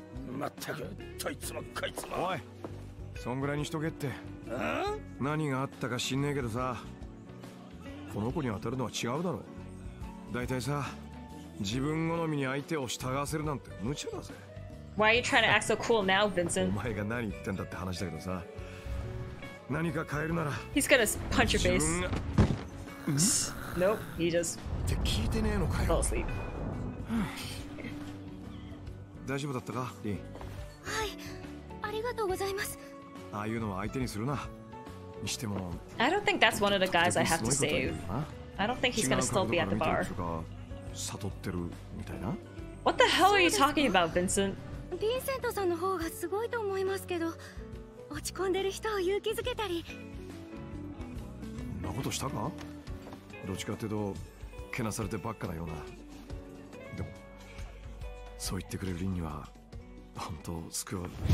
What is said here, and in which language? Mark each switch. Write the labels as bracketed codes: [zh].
[ja] まったく、どいつもこいつも。おい、そんぐらいにしとけって。ん？何があったか知んねえけどさ、この子に当たるのは違うだろう。だいたいさ、自分好みに相手を従わせるなんて無茶だぜ。 [en] Why are you trying to act so cool now, Vincent? [ja] お前が何言ってんだって話だけどさ、何か変えるなら。 [en] He's gonna punch your face. Nope, he just. [ja] って聞いてねえのかよ。 [en] Fell asleep. [ja] 大丈夫だったか、リン。はい、ありがとうございます。ああいうのは相手にするな。にしても、 [en] I don't think that's one of the guys I have to save. I don't think he's gonna still be at the bar. [ja] 悟ってるみたいな? [en] What the hell are you talking about, Vincent? [ja] Vincent さんの方がすごいと思いますけど、落ち込んでる人を勇気づけたり。なことしたか? どっちかっていうと、けなされてばっかだよな。でも、そう言ってくれるリンには、本当救われる。